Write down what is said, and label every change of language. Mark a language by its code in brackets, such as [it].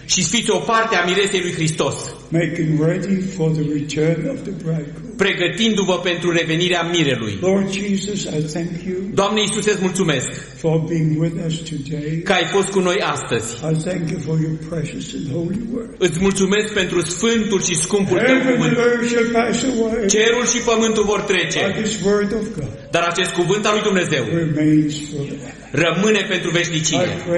[ro] și fiți o parte a miresei lui Hristos, [en] making ready for the return of the bridegroom, [ro] pregătindu-vă pentru revenirea mirelui. [en] Lord Jesus, I thank you. [ro] Doamne Iisuse, îți mulțumesc [en] for being with us today. [ro] Că ai fost cu noi astăzi. [en] I thank you for your precious and holy word. [ro] Îți mulțumesc pentru sfântul și scumpul tău cuvânt. Cerul și pământul vor trece. [en] By this word of God. [ro] Dar acest cuvânt al lui Dumnezeu rămâne pentru veșnicie.